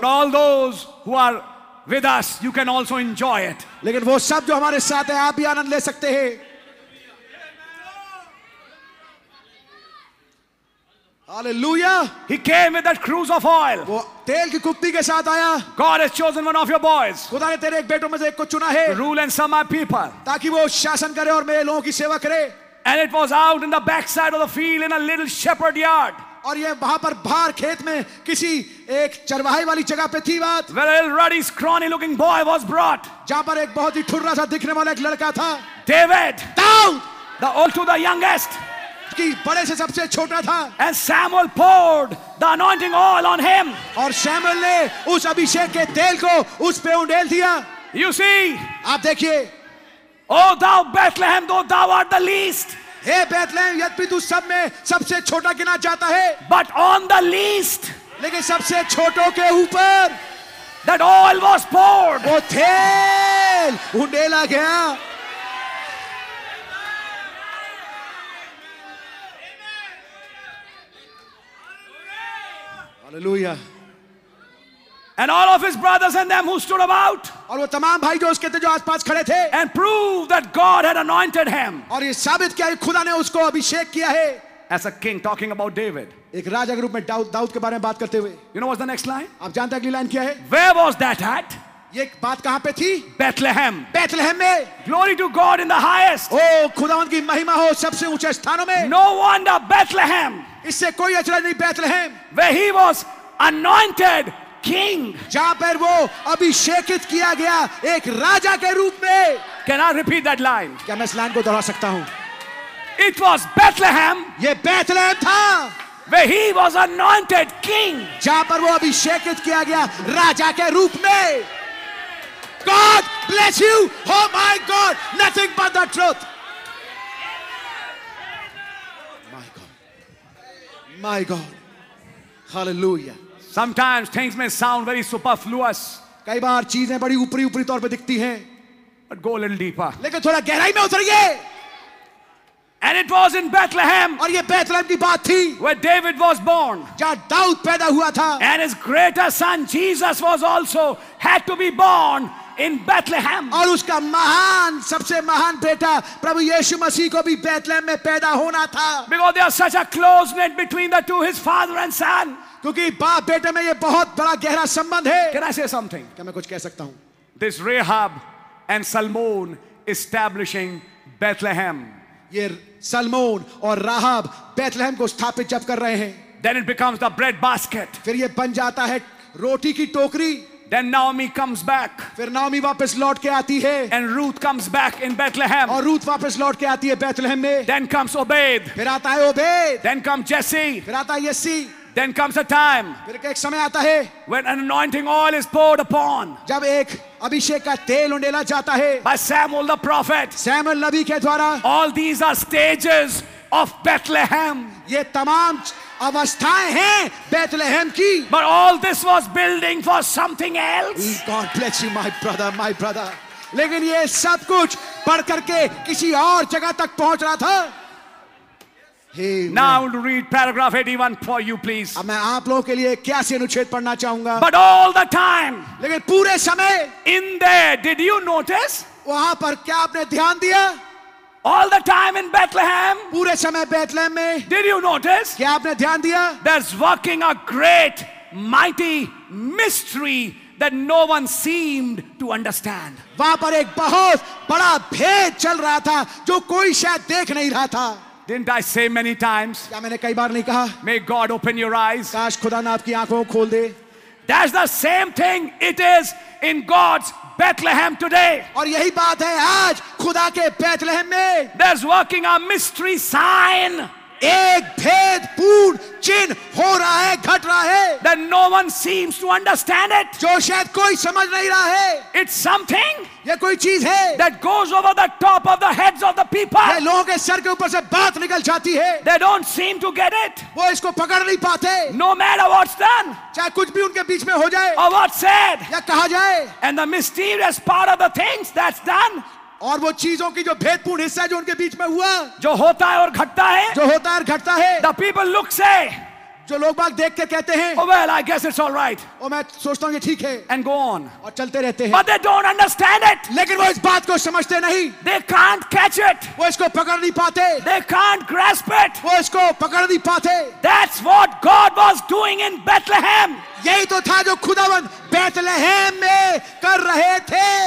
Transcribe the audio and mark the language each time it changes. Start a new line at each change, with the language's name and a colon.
English: But all those who are with us, you can also enjoy it.
Hindi: लेकिन वो सब जो हमारे साथ हैं, आप भी आनंद ले सकते हैं. Hallelujah!
English: He came with that cruse of oil.
Hindi: वो तेल की कुप्पी के साथ आया.
English: God has chosen one of your boys.
Hindi: खुदा ने तेरे एक बेटों में से एक को चुना है.
English: To rule and serve my people.
Hindi: ताकि वो शासन करे और मेरे लोगों की सेवा करे.
English: And it was out in the backside of the field in a little shepherd yard.
Hindi: और ये वहां पर बाहर खेत में किसी एक चरवाहे वाली जगह पे थी बात
English: Where a little ruddy, scrawny looking boy was brought.
Hindi: जहां पर एक बहुत ही ठुर्रा सा दिखने वाला एक लड़का था
English: David,
Hindi: Daud,
English: the old to the youngest.
Hindi: कि बड़े से सबसे छोटा था
English: And Samuel poured the anointing oil on him.
Hindi: और सैमुएल ने उस अभिषेक के तेल को उस पे उंडेल दिया
English: You see,
Hindi: आप देखिए
English: O thou Bethlehem, though thou art the least.
Hindi: Hey Bethlehem यद्यपि तू सब में सबसे छोटा गिना जाता है
English: but on the least
Hindi: लेकिन सबसे छोटों के ऊपर
English: that oil was poured
Hindi: वो तेल उंडेला गया hallelujah
English: And all of his brothers and them who stood about.
Hindi: और वो तमाम भाई जो उसके थे जो आसपास खड़े थे.
English: And proved that God had anointed him.
Hindi: और ये साबित किया कि खुदा ने उसको अभिषेक किया है.
English: As a king, talking about David.
Hindi: एक राजा के रूप में दाऊद के बारे में बात करते हुए.
English: You know what's the next line?
Hindi: आप जानते हैं अगली लाइन क्या है?
English: Where was that at?
Hindi: ये बात कहाँ पे थी?
English: Bethlehem.
Hindi: Bethlehem में.
English: Glory to God in the highest.
Hindi: ओ खुदावंद की महिमा हो सबसे ऊंचे स्थानों में.
English: No wonder Bethlehem.
Hindi: इससे कोई अचरज नहीं Bethlehem.
English: Where he was anointed. King,
Hindi: जहां पर वो अभिषेकित किया गया एक राजा के रूप में
English: Can I repeat that line?
Hindi: क्या मैं इस लाइन को दोहरा सकता हूं
English: It was Bethlehem,
Hindi: ये बेथलेहम था
English: Where he was anointed king,
Hindi: जहां पर वो अभिषेकित किया गया राजा के रूप में
English: God bless you. Oh my God, nothing but the truth. My God. My God. Hallelujah. Sometimes things may sound very superfluous.
Hindi: कई बार चीजें बड़ी ऊपरी ऊपरी तौर पे दिखती हैं.
English: But go a little deeper.
Hindi: लेकिन थोड़ा गहराई में उतरिए.
English: And it was in Bethlehem.
Hindi: और ये बेथलहम की बात थी.
English: Where David was born.
Hindi: जहाँ दाऊद पैदा हुआ था.
English: And his greater son Jesus was also had to be born in Bethlehem.
Hindi: और उसका महान सबसे महान बेटा प्रभु यीशु मसीह को भी बेथलहम में पैदा होना था.
English: Because there was such a close knit between the two, his father and son.
Hindi: क्योंकि बाप बेटे में ये बहुत बड़ा गहरा संबंध है.
English: Can I say something?
Hindi: क्या मैं कुछ कह सकता हूँ?
English: This Rahab and Salmon establishing Bethlehem.
Hindi: ये सलमोन और राहब बेथलहम को स्थापित जब कर रहे हैं.
English: Then it becomes the bread basket.
Hindi: फिर ये बन जाता है रोटी की टोकरी.
English: Then Naomi comes back.
Hindi: फिर नाओमी वापस लौट के आती है.
English: And Ruth comes back in Bethlehem.
Hindi: और रूथ वापस लौट के आती है बेथलहम में.
English: Then comes Obed.
Hindi: फिर आता है ओबेद.
English: Then comes Jesse.
Hindi: फिर आता है यसी.
English: Then comes a time when an anointing oil is poured upon
Hindi: जब एक अभिषेक का तेल उंडेला जाता है
English: by Samuel the prophet.
Hindi: Samuel नबी के द्वारा.
English: All these are stages of Bethlehem.
Hindi: ये तमाम अवस्थाएं हैं बेथलहम की.
English: But all this was building for something else. God bless you, my brother, my brother.
Hindi: लेकिन ये सब कुछ बढ़ करके किसी और जगह तक पहुंच रहा था.
English: Amen. Now to read paragraph 81 for you, please.
Hindi: अब मैं आप लोगों के लिए क्या से अनुच्छेद पढ़ना चाहूंगा.
English: But all the time,
Hindi: लेकिन पूरे समय,
English: in there, did you notice?
Hindi: वहाँ पर क्या आपने ध्यान दिया?
English: All the time in Bethlehem,
Hindi: पूरे समय बेथलहम में,
English: did you notice?
Hindi: क्या आपने ध्यान दिया?
English: There's working a great, mighty mystery that no one seemed to understand.
Hindi: वहाँ पर एक बहुत बड़ा भेद चल रहा था, जो कोई शायद देख नहीं रहा था.
English: Didn't I say many times?
Hindi: क्या मैंने कई बार नहीं कहा?
English: May God open your eyes.
Hindi: काश खुदा ने आपकी आंखों को खोल दे.
English: That's the same thing it is in God's Bethlehem today.
Hindi: और यही बात है आज खुदा के बेथलहम में.
English: There's working a mystery sign.
Hindi: एक भेदपूर्ण चिन्ह हो रहा है, घट रहा है.
English: That no one seems to understand it.
Hindi: जो शायद कोई समझ नहीं रहा है.
English: It's something.
Hindi: ये कोई चीज है.
English: That goes over the top of the heads of the people.
Hindi: ये लोगों के सर के ऊपर से बात निकल जाती है.
English: They don't seem to get it.
Hindi: वो इसको पकड़ नहीं पाते.
English: No matter what's done.
Hindi: चाहे कुछ भी उनके बीच में हो जाए.
English: Or what's said.
Hindi: या कहा जाए.
English: And the mysterious part of the things that's done.
Hindi: और वो चीजों की जो भेदपूर्ण हिस्सा जो उनके बीच में हुआ. जो होता है और घटता है. जो होता है और घटता है.
English: The people look say.
Hindi: जो लोग बाग देख के कहते हैं.
English: Oh well, I guess it's all right.
Hindi: और मैं सोचता हूँ ये ठीक है.
English: And go on.
Hindi: और चलते रहते हैं.
English: But they don't understand it.
Hindi: लेकिन वो इस बात को समझते नहीं.
English: They can't catch it.
Hindi: वो इसको पकड़ नहीं पाते.
English: They can't grasp it.
Hindi: वो इसको पकड़ नहीं पाते.
English: That's what God was doing in Bethlehem.
Hindi: यही तो था जो खुदावंद बेथलहम में कर रहे थे.